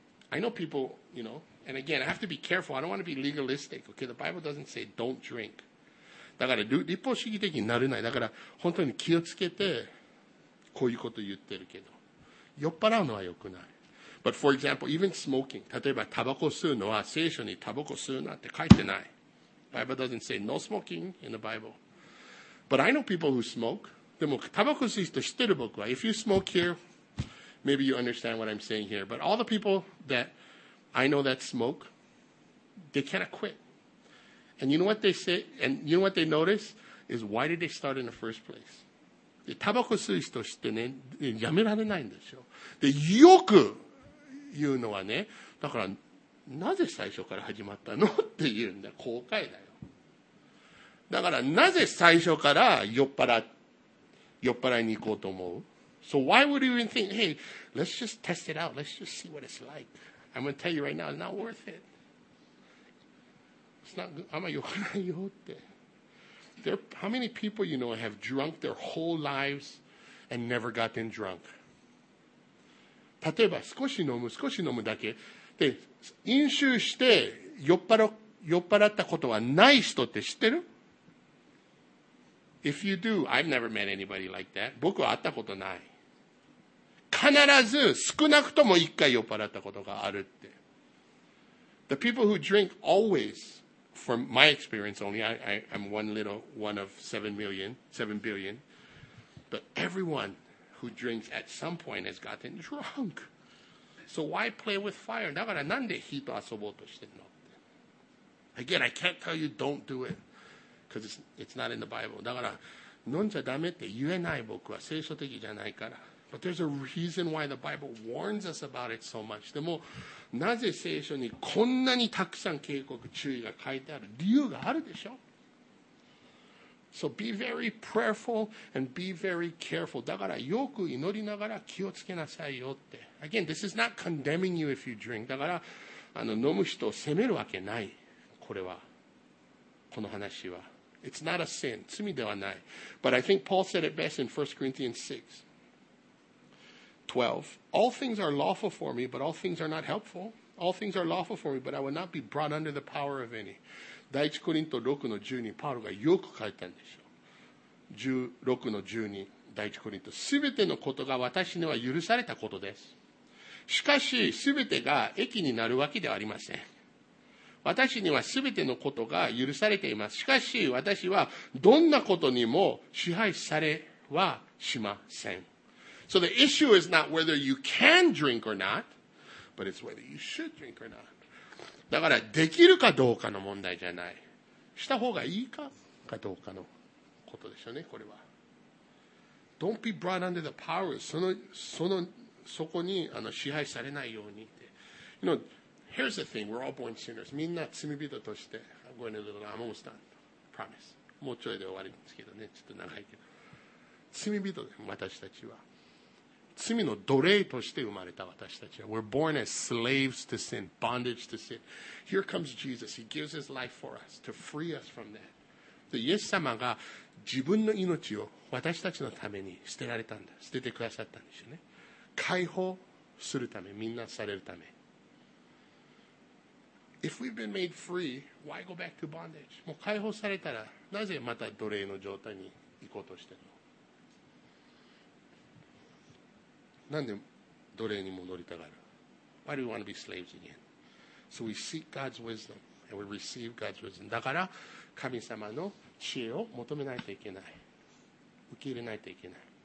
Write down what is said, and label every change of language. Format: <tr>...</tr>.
<en>I know people, you know, and again, I have to be careful. I don't want to be legalistic. Okay, the Bible doesn't say don't drink.</en> <ja>だから立法主義的になれない。だから本当に気をつけてこういうこと言ってるけど。酔っ払うのは良くない。</ja> <en>But for example, even smoking.</en> <ja>例えばタバコ吸うのは聖書にタバコ吸うなって書いてない。</ja> <en>Bible doesn't say no smoking in the Bible. But I know people who smoke.</en> <ja>でもタバコ吸う人知ってる僕は。</ja> <en>If you smoke here, maybe you understand what I'm saying here. But all the people that I know that smoke, they kind of quit. And you know what they say? And you know what they notice? Is why did they start in the first place?</en> <ja>でタバコ吸う人知ってね、やめられないんですよ。で、よく、いうのはね、だからなぜ最初から始まったのって言うんだよ、後悔だよ。だからなぜ最初から酔っ払いに行こうと思う？</ja> <en>So why would you even think, hey, let's just test it out, let's just see what it's like. I'm going to tell you right now, it's not worth it. It's not,</en> <ja>あんま良くないよって。</ja> <en>There, how many people you know have drunk their whole lives and never gotten drunk?</en> <ja>例えば少し飲む、少し飲むだけで飲酒して酔っ払ったことはない人って知ってる？</ja> <en>If you do, I've never met anybody like that.</en> <ja>僕は会ったことない。必ず少なくとも一回酔っ払ったことがあるって。</ja> <en>The people who drink always, from my experience only, I'm one of 7 billion, but everyoneWho drinks at some point has gotten drunk. So why play with fire?</en> <ja>だからなんで火と遊ぼうとしてるの？</ja> <en>Again, I can't tell you don't do it. Because it's not in the Bible.</en> <ja>だから飲んじゃダメって言えない僕は聖書的じゃないから。</ja> <en>But there's a reason why the Bible warns us about it so much.</en> <ja>でも、なぜ聖書にこんなにたくさん警告、注意が書いてある理由があるでしょ。</ja> <en>So be very prayerful and be very careful.</en> <ja>だからよく祈りながら気をつけなさいよって。</ja> <en>Again, this is not condemning you if you drink.</en> <ja>だから飲む人を責めるわけない。これは。この話は。</ja> <en>It's not a sin.</en> <ja>罪ではない。</ja> <en>But I think Paul said it best in 1 Corinthians 6:12. All things are lawful for me, but all things are not helpful. All things are lawful for me, but I will not be brought under the power of any.</en> <ja>第1コリント6の12、パウロがよく書いたんでしょう。 16の12、第1コリント、すべてのことが私には許されたことです。しかし、すべてが益になるわけではありません。私にはすべてのことが許されています。しかし、私はどんなことにも支配されはしません。</ja> <en>So the issue is not whether you can drink or not, but it's whether you should drink or not.</en> <ja>だから、できるかどうかの問題じゃない。した方がいいかかどうかのことでしょうね、これは。</ja> <en>Don't be brought under the power.</en> <ja>そこに支配されないようにって。</ja> <en>You know, here's the thing. We're all born sinners.</en> <ja>みんな罪人として。</ja> <en>I'm going a little, I'm almost done. Promise.</en> <ja>もうちょいで終わりですけどね。ちょっと長いけど。罪人で、私たちは。罪の奴隷として生まれた私たちは。</ja> <en>We're born as slaves to sin, bondage to sin. Here comes Jesus. He gives his life for us to free us from that.</en> <ja>で、イエス様が自分の命を私たちのために捨てられたんだ。捨ててくださったんですよね。解放するため、みんなされるため。</ja> <en>If we've been made free, why go back to bondage?</en> <ja>もう解放されたら、なぜまた奴隷の状態に行こうとしてるの？なんで奴隷に戻りたがる?</ja> <en>Why do we want to be slaves again? So we seek God's wisdom and we receive God's wisdom.</en> <ja>だから神様の知恵を求めないといけない。受け入れないといけない。</ja>